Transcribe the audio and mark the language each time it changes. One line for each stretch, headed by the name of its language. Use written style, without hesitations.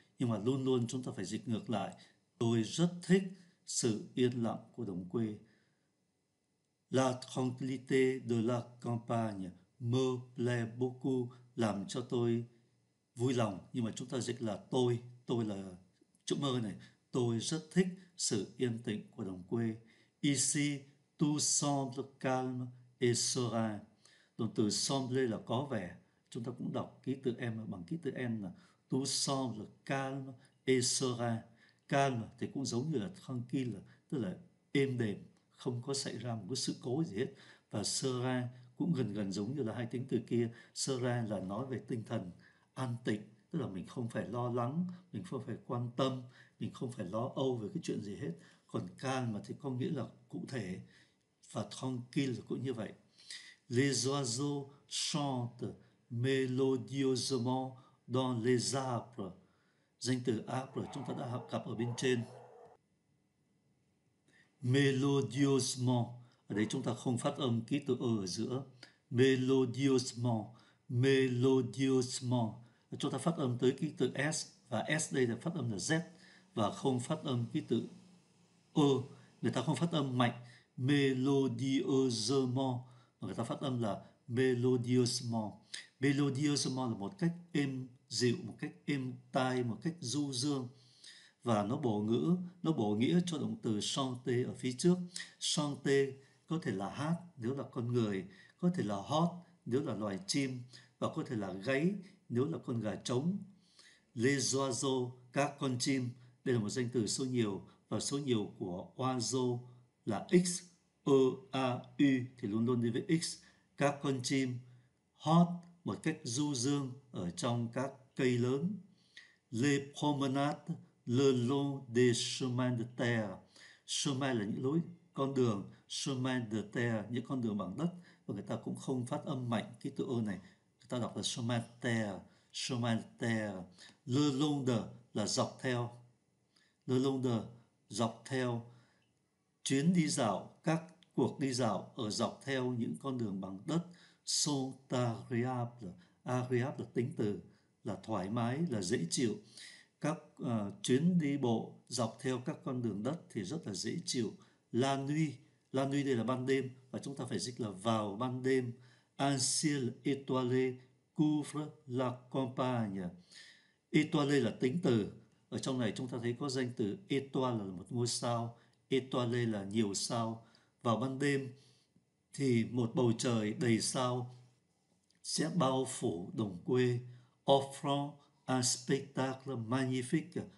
Vietnamese: Nhưng mà luôn luôn chúng ta phải dịch ngược lại. Tôi rất thích sự yên lặng của đồng quê.
French: La tranquillité de la campagne me plaît beaucoup,
Vietnamese: làm cho tôi vui lòng. Nhưng mà chúng ta dịch là tôi là chữ mơ này. Tôi rất thích sự yên tĩnh của đồng quê.
French: Ici, tout semble calme et serein.
Vietnamese: Động từ semble là có vẻ. Chúng ta cũng đọc ký tự M bằng ký tự N là
French: tout semble calme et serein.
Vietnamese: Calm thì cũng giống như là tranquille, tức là êm đềm, không có xảy ra một cái sự cố gì hết. Và serein cũng gần gần giống như là hai tính từ kia. Serein là nói về tinh thần an tịnh, tức là mình không phải lo lắng, mình không phải quan tâm, mình không phải lo âu về cái chuyện gì hết. Còn calm thì có nghĩa là cụ thể, và tranquille cũng như vậy.
French: Les oiseaux chantent mélodieusement dans les arbres.
Vietnamese: Danh từ arbre chúng ta đã gặp ở bên trên. Melodiosement, ở đây chúng ta không phát âm ký tự ơ ở giữa. Melodiosement, melodiosement. Chúng ta phát âm tới ký tự S, và S đây là phát âm là Z, và không phát âm ký tự ơ. Người ta không phát âm mạnh melodieusement, mà người ta phát âm là melodiosement. Melodiosement là một cách êm dịu, một cách êm tai, một cách du dương. Và nó bổ ngữ, nó bổ nghĩa cho động từ chanter ở phía trước. Chanter có thể là hát nếu là con người, có thể là hót nếu là loài chim, và có thể là gáy nếu là con gà trống. Les oiseaux, các con chim, đây là một danh từ số nhiều, và số nhiều của oiseau là x, e, a, u, thì luôn luôn đi với x. Các con chim hót một cách du dương ở trong các cây lớn.
French: Les promenades le long des chemins de terre.
Vietnamese: Chemin là những lối con đường, chemin de terre những con đường bằng đất, và người ta cũng không phát âm mạnh cái từ ô này, người ta đọc là
French: chemin de terre, chemin de terre.
Vietnamese: Le long de là dọc theo, le long de dọc theo, chuyến đi dạo, các cuộc đi dạo ở dọc theo những con đường bằng đất.
French: Sont agréable,
Vietnamese: agréable là tính từ, là thoải mái, là dễ chịu. Các chuyến đi bộ dọc theo các con đường đất thì rất là dễ chịu.
French: La nuit, la nuit
Vietnamese: đây là ban đêm, và chúng ta phải dịch là vào ban đêm.
French: un ciel étoilé couvre la campagne.
Vietnamese: Étoilé là tính từ. Ở trong này chúng ta thấy có danh từ étoile là một ngôi sao, étoilé là nhiều sao. Vào ban đêm thì một bầu trời đầy sao sẽ bao phủ đồng quê,
French: offrant un spectacle magnifique.